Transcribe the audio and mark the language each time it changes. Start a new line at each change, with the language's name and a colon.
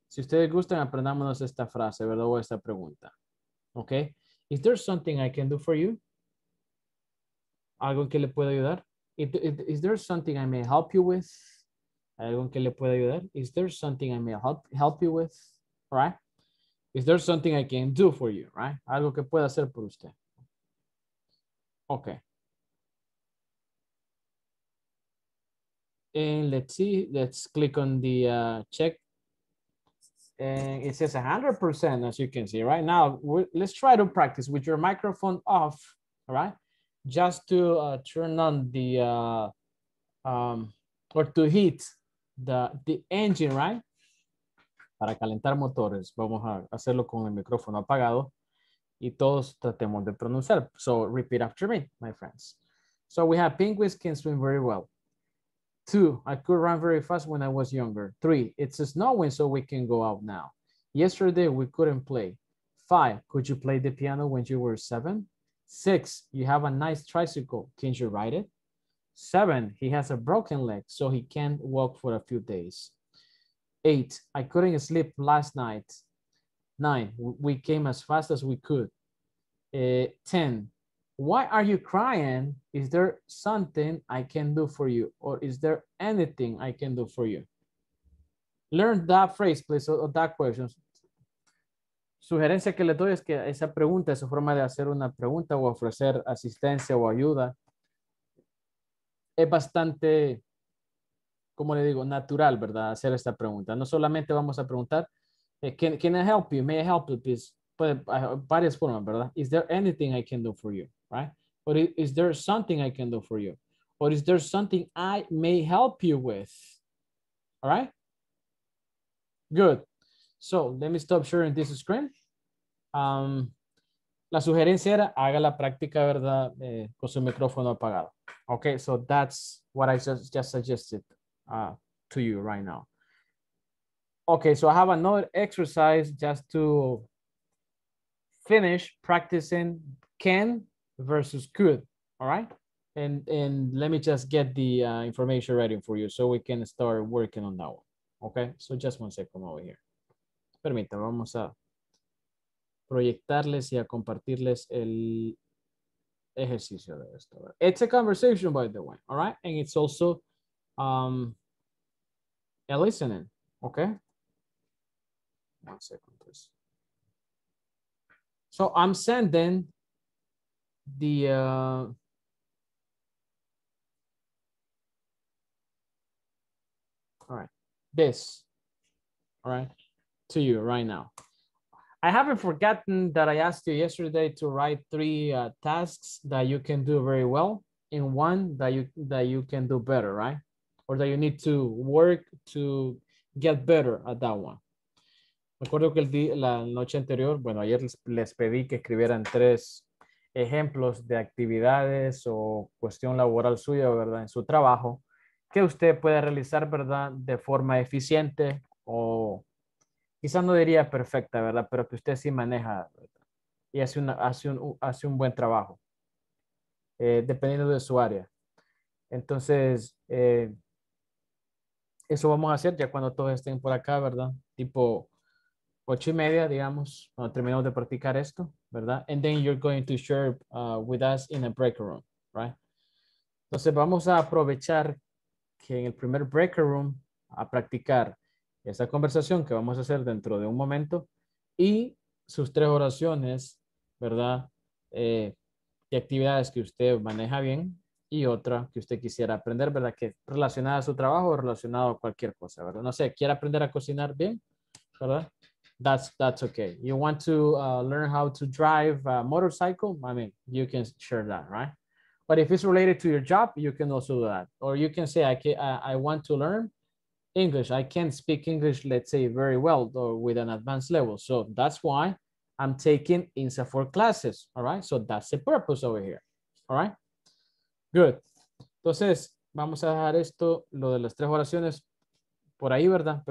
Spanish: Si ustedes gustan, aprendámonos esta frase, ¿verdad? O esta pregunta.
English: Okay. Is there something I can do for you?
Spanish: ¿Algo que le pueda ayudar?
English: Is there something I may help you with?
Spanish: ¿Algo que le pueda ayudar?
English: Is there something I may help you with? Right? Is there something I can do for you? Right?
Spanish: ¿Algo que pueda hacer por usted? Okay.
English: And let's see, let's click on the check. And it says 100%, as you can see, right? Now, let's try to practice with your microphone off, all right? Just to turn on the, or to heat the engine, right?
Spanish: Para calentar motores, vamos a hacerlo con el micrófono apagado y todos tratemos de pronunciar.
English: So repeat after me, my friends. So we have penguins can swim very well. 2, I could run very fast when I was younger. 3, it's snowing so we can go out now. Yesterday, we couldn't play. 5, could you play the piano when you were 7? 6, you have a nice tricycle. Can you ride it? 7, he has a broken leg so he can't walk for a few days. 8, I couldn't sleep last night. 9, we came as fast as we could. 10, why are you crying? Is there something I can do for you? Or is there anything I can do for you? Learn that phrase, please, or that question.
Spanish: Sugerencia que le doy es que esa pregunta, esa forma de hacer una pregunta o ofrecer asistencia o ayuda, es bastante, como le digo, natural, ¿verdad? Hacer esta pregunta. No solamente vamos a preguntar,
English: Can I help you? May I help you, please? But
Spanish: varias formas, ¿verdad?
English: Is there anything I can do for you, right? Or is there something I can do for you? Or is there something I may help you with? All right? Good. So let me stop sharing this screen.
Spanish: La sugerencia era, haga la práctica, ¿verdad? Con su micrófono apagado.
English: Okay, so that's what I just suggested to you right now. Okay, so I have another exercise just to finish practicing can versus could, all right? And let me just get the information ready for you so we can start working on that one, okay? So just one second over here. Permítame, vamos a proyectarles y a compartirles el ejercicio de esto. It's a conversation, by the way, all right? And it's also a listening, okay? One second, please. So I'm sending the all right, to you right now. I haven't forgotten that I asked you yesterday to write three tasks that you can do very well and one that you can do better, right? Or that you need to work to get better at that one.
Spanish: Me acuerdo que la noche anterior, bueno, ayer les pedí que escribieran tres ejemplos de actividades o cuestión laboral suya, ¿verdad? En su trabajo, que usted pueda realizar, ¿verdad? De forma eficiente o quizás no diría perfecta, ¿verdad? Pero que usted sí maneja, ¿verdad? Y hace un buen trabajo, dependiendo de su área. Entonces, eso vamos a hacer ya cuando todos estén por acá, ¿verdad? Tipo 8:30, digamos, cuando terminamos de practicar esto, ¿verdad?
English: And then you're going to share with us in a break room, right?
Spanish: Entonces vamos a aprovechar que en el primer break room a practicar esa conversación que vamos a hacer dentro de un momento y sus tres oraciones, ¿verdad? De actividades que usted maneja bien y otra que usted quisiera aprender, ¿verdad? Que relacionada a su trabajo o relacionado a cualquier cosa, ¿verdad? No sé, ¿quiere aprender a cocinar bien? ¿Verdad?
English: That's okay. You want to learn how to drive a motorcycle? I mean, you can share that, right? But if it's related to your job, you can also do that. Or you can say, I want to learn English. I can't speak English, let's say, very well or with an advanced level. So that's why I'm taking INSAFORP classes, all right? So that's the purpose over here, all right? Good.
Spanish: Entonces, vamos a dejar esto, lo de las tres oraciones, por ahí, ¿verdad?